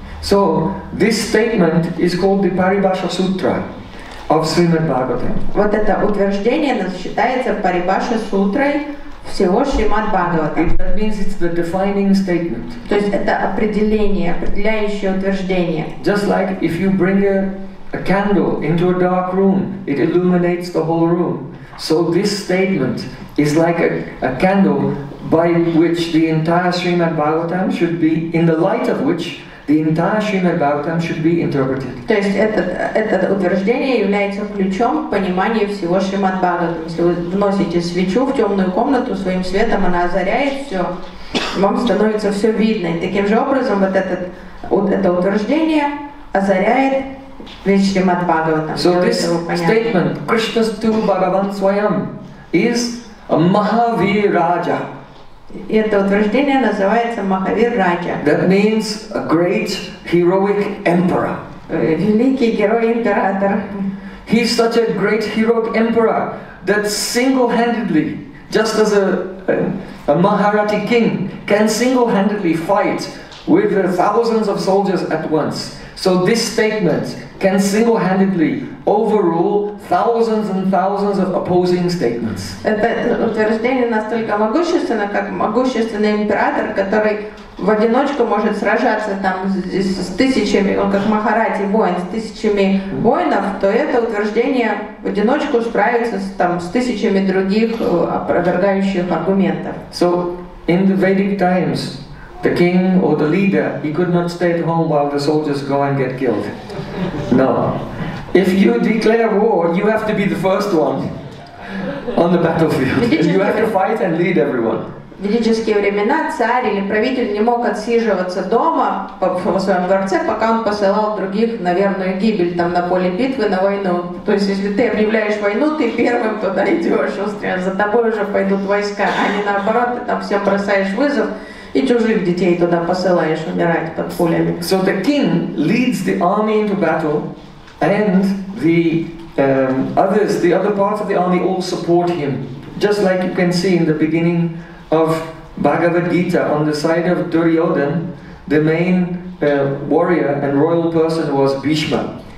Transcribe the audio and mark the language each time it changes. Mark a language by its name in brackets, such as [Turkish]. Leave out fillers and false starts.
[English] So, this statement is called the Paribhasha Sutra of Srimad Bhagavatam. [Russian] Вот это утверждение считается Paribhasha Sutrой всего Шримад Бхагаватам. [English] That means it's the defining statement. [Russian] То есть это определение, определяющее утверждение. [English] Just like if you bring a candle into a dark room, it illuminates the whole room. So this statement is like a candle by which the entire Srimad Bhagavatam should be, in the light of which the entire Srimad Bhagavatam should be interpreted. [Russian] То есть это утверждение является ключом к пониманию всего Шримад Бхагаватам. Если вы вносите свечу в темную комнату, своим светом она озаряет все, вам становится все видно. И таким же образом вот это утверждение озаряет весь Шримад Бхагаватам. [English] So this statement, Krishna Stu Bhagavan Swayam, is a Mahaviraja. [Russian] И это утверждение называется Махавир Раджа. [English] That means a great heroic emperor. [Russian] Великий герой император. [English] He's such a great heroic emperor that single-handedly, just as a Maharati king, can single-handedly fight with thousands of soldiers at once. So this statement can single-handedly overrule thousands and thousands of opposing statements. [Russian] Это утверждение настолько могущественно, как могущественный император, который в одиночку может сражаться там с тысячами, он как Махарати воин, с тысячами воинов, то это утверждение в одиночку справится там с тысячами других опровергающих аргументов. [English] So in the Vedic times, the king or the leader, he could not stay at home while the soldiers go and get killed. No. If you declare war, you have to be the first one on the battlefield. You have to fight and lead everyone. [Russian] В ведические времена царь или правитель не мог отсиживаться дома в своем дворце, пока он посылал других на верную гибель, там, на поле битвы, на войну. То есть, если ты объявляешь войну, ты первым туда идешь, устрем, за тобой уже пойдут войска, а не наоборот, ты там всем бросаешь вызов и чужих детей туда посылаешь умирать под пулями. [English] So the king leads the army into battle, and the others, the other parts of the army, all support him. Just like you can see in the beginning of Bhagavad Gita, on the side of Duryodhan, the main warrior and royal person was Bhishma.